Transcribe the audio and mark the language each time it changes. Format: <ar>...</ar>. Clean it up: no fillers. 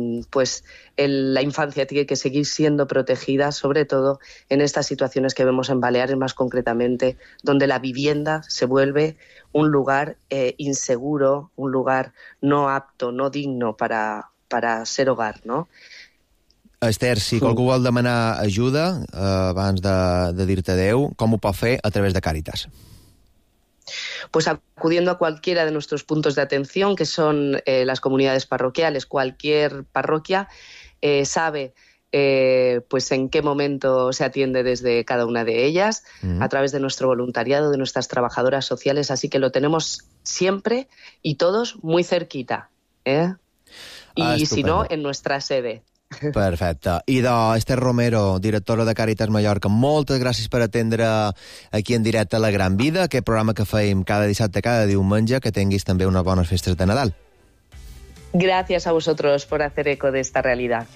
<es>pues la infancia tiene que seguir siendo protegida, sobre todo en estas situaciones que vemos en Baleares, más concretamente, donde la vivienda se vuelve un lugar inseguro, un lugar no apto, no digno para ser hogar, ¿no?</es> <ca>Esther, si algú vol demanar ajuda abans de dir-te adeu, com ho pot fer a través de Càritas?</ca> <es>Pues acudiendo a cualquiera de nuestros puntos de atención, que son las comunidades parroquiales. Cualquier parroquia sabe pues en qué momento se atiende desde cada una de ellas, a través de nuestro voluntariado, de nuestras trabajadoras sociales. Así que lo tenemos siempre y todos muy cerquita. Y si no, en nuestra sede.</es> <ca>Perfecte. Idò, Esther Romero, directora de Càritas Mallorca, moltes gràcies per atendre aquí en directe La Gran Vida, aquest programa que feim cada dissabte, cada diumenge. Que tinguis també unes bones festes de Nadal. Gràcies a vosaltres per fer eco d'esta realitat.</ca>